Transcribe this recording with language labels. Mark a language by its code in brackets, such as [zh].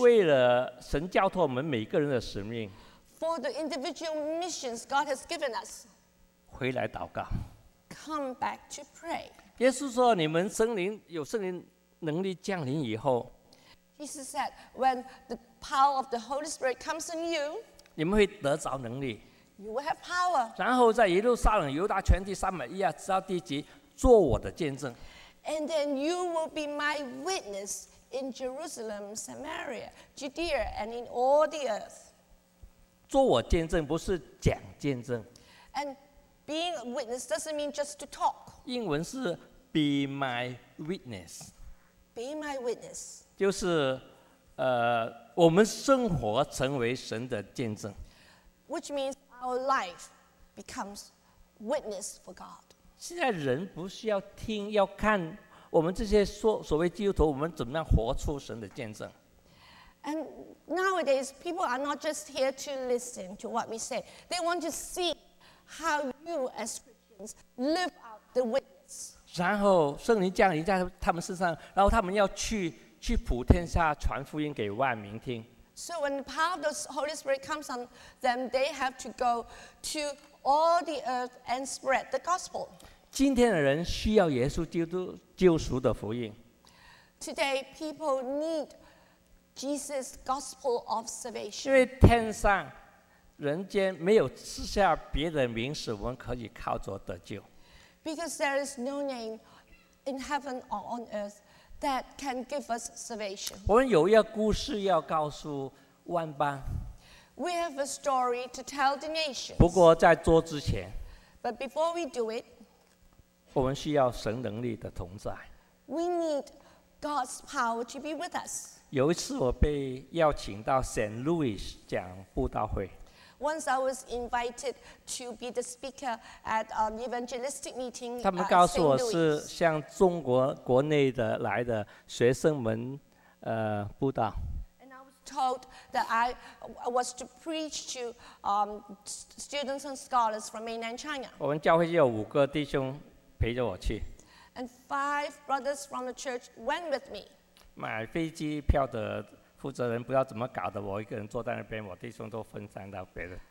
[zh] 为了神交托我们每个人的使命 [en] for the individual missions God has given us, [zh] 回来祷告 [en] come back to pray. [zh] 耶稣说你们圣灵有圣灵能力降临以后 [en] Jesus said, when the power of the Holy Spirit comes in you, [zh] 你们会得着能力 [en] you will have power. [zh] 然后在耶路撒冷、犹大全地、撒玛利亚直到地极，做我的见证 [en] And then you will be my witness in Jerusalem, Samaria, Judea, and in all the earth. [zh] 做我见证不是讲见证 [en] And being a witness doesn't mean just to talk. [zh] 英文是 [en] be my witness. Be my witness. [zh] 就是，我们生活成为神的见证。 [en] Which means our life becomes witness for God. [zh] 现在人不需要听，要看我们这些所谓基督徒，我们怎么样活出神的见证。 [en] And nowadays, people are not just here to listen to what we say. They want to see how you as Christians live out the witness. [zh] 然后圣灵降临在他们身上，然后他们要去普天下传福音给万民听。 [en] So when the power of the Holy Spirit comes on them, they have to go to all the earth and spread the gospel. [zh] 今天的人需要耶稣基督救赎的福音。 [en] Today people need Jesus' gospel of salvation. [zh] 因为天上人间没有赐下别的名使我们可以靠着得救。 [en] Because there is no name in heaven or on earth that can give us salvation. [zh] 我们有一个故事要告诉万邦。 [en] We have a story to tell the nations. [zh] 不过在做之前。 [en] But before we do it, [zh] 我们需要神能力的同在。 [en] We need God's power to be with us. [zh] 有一次我被邀请到 St. Louis 讲布道会。 [en] Once I was invited to be the speaker at an evangelistic meeting. [zh] 他们告诉我是向中国国内的来的学生们，布道。 [en] And I was told that I was to preach to students and scholars from mainland China. [zh] 我们教会有五个弟兄陪着我去。 [en] And five brothers from the church went with me. [zh] 买飞机票的。负责人不知道怎么搞的，我一个人坐在那边，我弟兄都分散到别的。